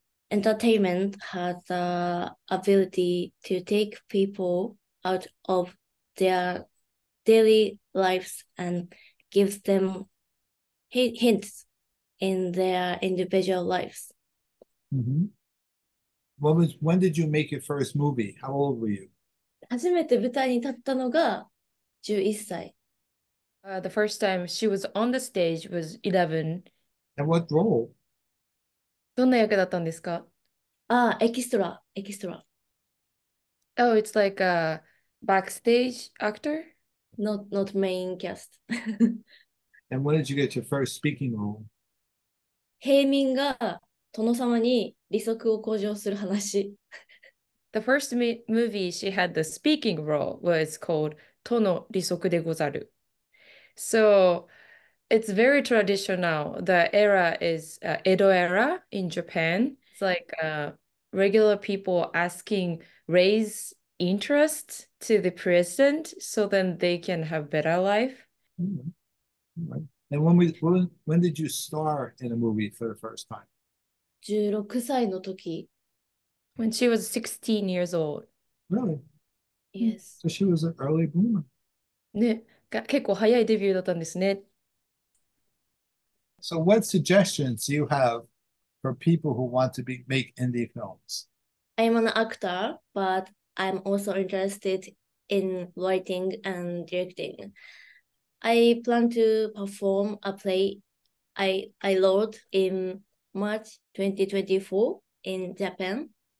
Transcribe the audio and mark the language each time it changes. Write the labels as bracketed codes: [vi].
[en] Entertainment has the ability to take people out of their daily lives and gives them hints in their individual lives. Mm-hmm. When did you make your first movie? How old were you? [ja] 初めて舞台に立ったのが11歳。 [en] The first time she was on the stage was 11. And what role? [ja] どんな役だったんですか？エキストラ。 [en] Oh, it's like a backstage actor? Not main cast. And when did you get your first speaking role? [ja] 平民が殿様に利息を向上する話。 [en] The first movie she had the speaking role was called To no Risoku de Gozaru. So it's very traditional. The era is Edo era in Japan. It's like regular people asking raise interest to the president so then they can have better life. Mm-hmm. And when did you star in a movie for the first time? [ja] 16 歳の時。 [en] When she was 16 years old. Really? Yes. So she was an early bloomer. [ja] ね、結構早いデビューだったんですね。 [en] So what suggestions do you have for people who want to make indie films? I'm an actor, but I'm also interested in writing and directing. I plan to perform a play I wrote in March 2024 in Japan.